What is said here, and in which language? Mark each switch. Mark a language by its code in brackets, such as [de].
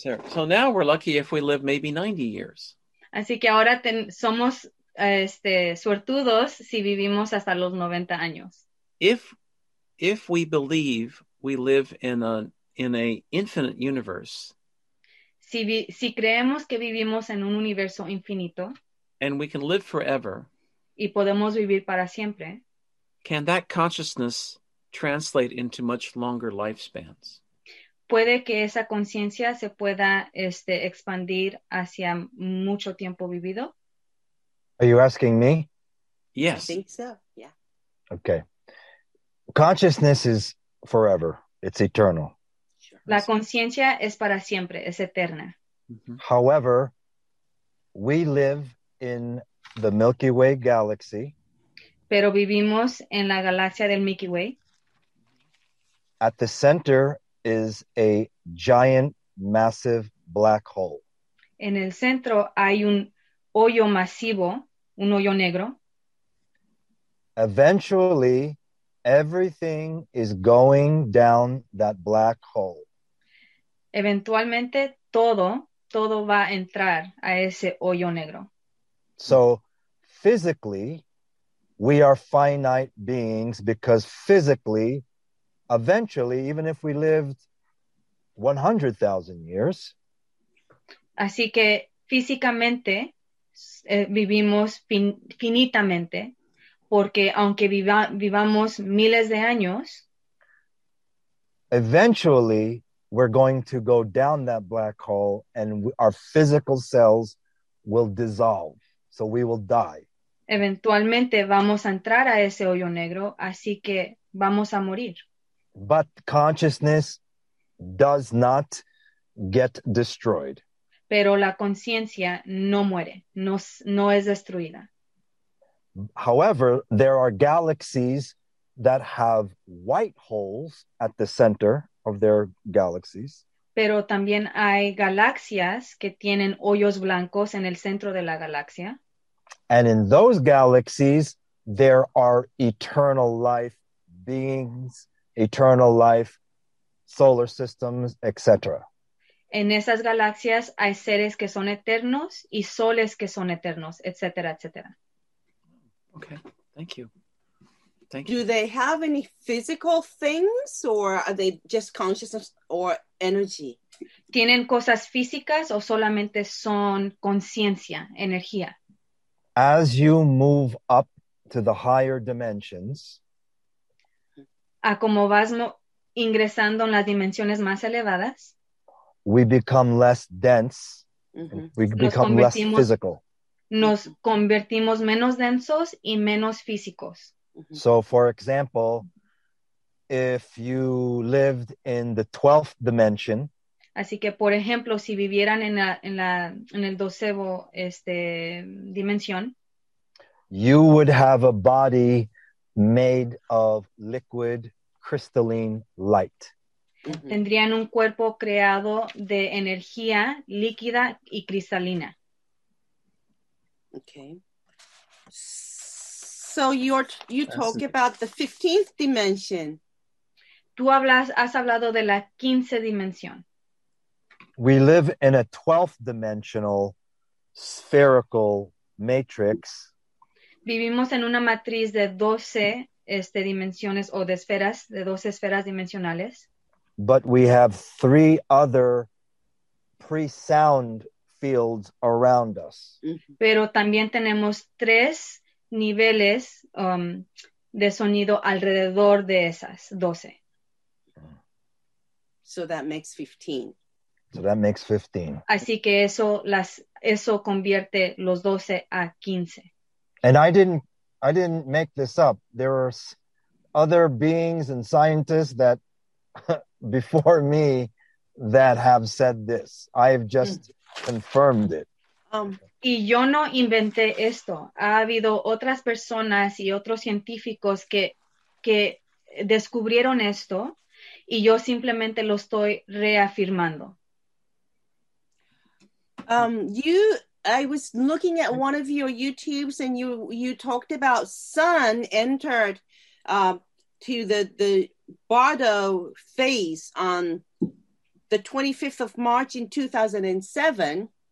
[en] So now we're lucky if we live maybe 90 years. [es] Así que ahora somos suertudos si vivimos hasta los 90 años. [en] If we believe we live in a infinite universe. [es] Si creemos que vivimos en un universo infinito. [en] And we can live forever. [es] Y podemos vivir para siempre. [en] Can that consciousness translate into much longer lifespans? [es] Puede que esa conciencia se pueda expandir hacia mucho tiempo vivido. [en] Are you asking me? Yes. I think so, yeah. Okay. Consciousness is forever. It's eternal. Sure. [es] La conciencia es para siempre, es eterna. Mm-hmm. [en] However, we live in the Milky Way galaxy. [es] Pero vivimos en la galaxia del Milky Way. [en] At the center is a giant, massive black hole. [es] En el centro hay un hoyo masivo, un hoyo negro. [en] Eventually, everything is going down that black hole. [es] Eventualmente, todo va a entrar a ese hoyo negro. [en] So, physically, we are finite beings because physically, eventually, even if we lived 100,000 years. [es] Así que físicamente vivimos finitamente, porque aunque vivamos miles de años, [en] eventually we're going to go down that black hole and our physical cells will dissolve. So we will die. [es] Eventualmente vamos a entrar a ese hoyo negro, así que vamos a morir. [en] But consciousness does not get destroyed. [es] Pero la conciencia no muere, no es destruida. [en] However, there are galaxies that have white holes at the center of their galaxies. [es] Pero también hay galaxias que tienen hoyos blancos en el centro de la galaxia. [en] And in those galaxies, there are eternal life beings, eternal life solar systems, etc. [es] En esas galaxias hay seres que son eternos y soles que son eternos, etc., etc. [en] Okay, thank you. Thank Do you. Do they have any physical things or are they just consciousness or energy? [es] ¿Tienen cosas físicas o solamente son conciencia, energía? [en] As you move up to the higher dimensions, [es] a como vas ingresando en las dimensiones más elevadas, [en] we become less dense. Mm-hmm. We become less physical. [es] Nos convertimos menos densos y menos físicos. Mm-hmm. [en] So, for example, if you lived in the 12th dimension, [es] así que por ejemplo, si vivieran en el doceavo dimensión, [en] you would have a body made of liquid crystalline light. [es] Tendrían un cuerpo creado de energía líquida y cristalina. [en] Okay. So you talk about the 15th dimension. [es] Has hablado de la 15th dimensión. [en] We live in a 12th dimensional spherical matrix. [es] Vivimos en una matriz de 12 dimensiones o de esferas, de 12 esferas dimensionales. [en] But we have three other pre-sound fields around us. [es] Pero también tenemos tres niveles de sonido alrededor de esas 12. [en] So that makes 15. So that makes 15. [es] Así que eso convierte los 12 a 15. [en] And I didn't make this up. There are other beings and scientists that before me that have said this. I've just confirmed it. [es] Y yo no inventé esto. Ha habido otras personas y otros científicos que descubrieron esto y yo simplemente lo estoy reafirmando. [en] I was looking at one of your YouTubes and you talked about sun entered to the Bardo phase on the 25th of March in 2007.